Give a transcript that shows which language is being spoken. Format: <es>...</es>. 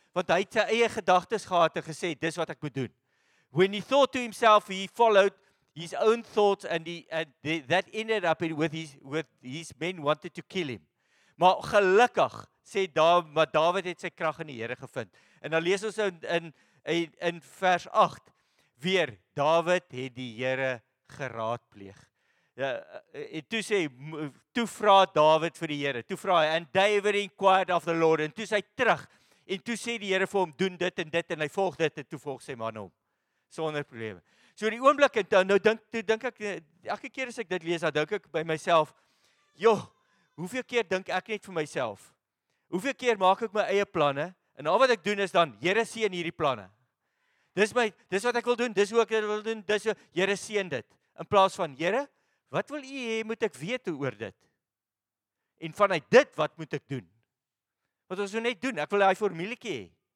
<af>Want hy het sy eie gedagtes gehad, en gesê, dis wat ek moet doen,</af> <en>when he thought to himself, he followed his own thoughts, and that ended up with his men wanted to kill him.</en> <af>Maar gelukkig, sê David, maar David het sy krag in die Here gevind. En dan lees ons in vers 8, weer, David het die Here geraadpleeg. Toe vra David vir die Here, toe vra hy,</af> <en>and David inquired of the Lord,</en> <af>en toe sê hy terug, en toe sê die Here vir hom, doen dit en dit, en hy volg dit, en toe volg sy man om. Sonder probleme. So in die oomblik, en nou dink ek, elke keer as ek dit lees, dan dink ek by myself, joh, hoeveel keer dink ek net vir myself? Hoeveel keer maak ek my eie planne? En al wat ek doen is dan, Here seën hierdie planne. Dis wat ek wil doen, dis hoe ek dit wil doen, dis hoe, Here seën dit. In plaas van, Here, wat wil u hê, moet ek weet oor dit? En vanuit dit, wat moet ek doen? Wat ons wil net doen, ek wil die formuletjie hê.</af>